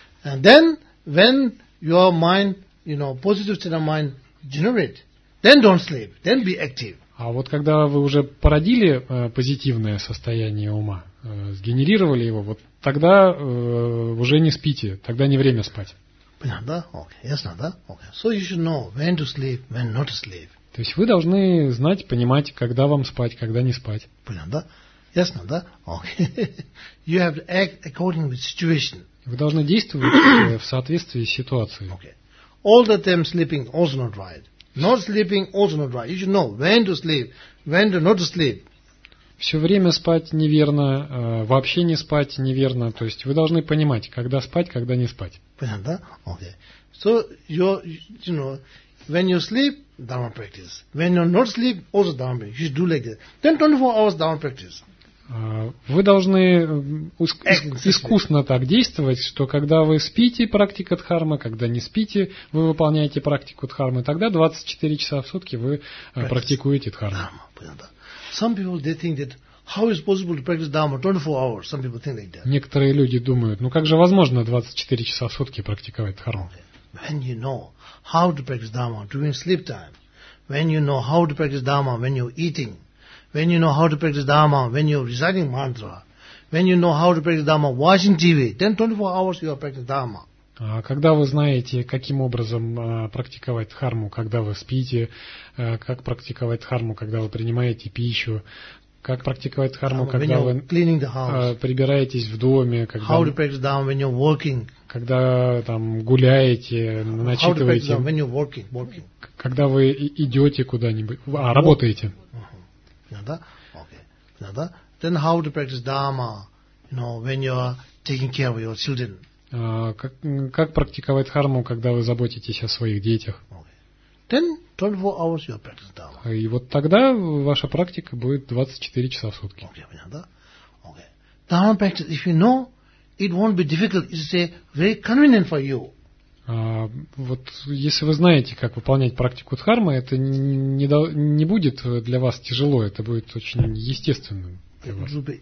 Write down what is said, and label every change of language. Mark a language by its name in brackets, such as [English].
[English] And then, when your mind, you know, positive state of mind generate, then don't sleep, then be active. [Russian] А вот когда вы уже породили позитивное состояние ума, сгенерировали его, вот тогда уже не спите, тогда не время спать. Понятно, да? Okay. Ясно, да? Okay. [English] So you should know when to sleep, when not to sleep. [Russian] То есть вы должны знать, понимать, когда вам спать, когда не спать. Понятно, да? Ясно, да? Okay. [English] You have to act according to the situation. [Russian] Вы должны действовать в соответствии с ситуацией. [English] Okay. All the time sleeping also not right. Not sleeping also not right. You should know when to sleep, when to not sleep. [Russian] Все время спать неверно, вообще не спать неверно. То есть вы должны понимать, когда спать, когда не спать. Понятно, да? Okay. [English] So you know, when you sleep, dharma practice. When you not sleep, also dharma practice. You should do like that. Then 24 hours dharma practice. [Russian] Вы должны искусно так действовать, что когда вы спите, практика дхармы, когда не спите, вы выполняете практику дхармы, тогда 24 часа в сутки вы практикуете дхарму. [English] Some people, they think that how is possible to practice dharma 24 hours? Some people think like that. [Russian] Некоторые люди думают, ну как же возможно 24 часа в сутки практиковать дхарму? [English] When you know how to practice dharma during sleep time, when you know how to practice dharma when you're eating, when you know how to practice dharma, when you're reciting mantra, when you know how to practice dharma watching TV, then 24 hours you are practicing dharma. [Russian] Когда вы знаете, каким образом практиковать дхарму, когда вы спите, как практиковать дхарму, когда вы принимаете пищу, как практиковать дхарму, когда вы прибираетесь в доме, когда там гуляете, начитываете, когда вы идете куда-нибудь, работаете. Да? Okay. Да? [English] Then how to practice dharma, you know, when you are taking care of your children? [Russian] Как практиковать дхарму, когда вы заботитесь о своих детях? [English] Okay. Then 24 hours you practice dharma. [Russian] И вот тогда ваша практика будет 24 часа в сутки. [English] Okay, да? Okay. Dharma practice, if you know, it won't be difficult. It's a very convenient for you. [Russian] Вот если вы знаете, как выполнять практику дхармы, это не будет для вас тяжело, это будет очень естественным для вас.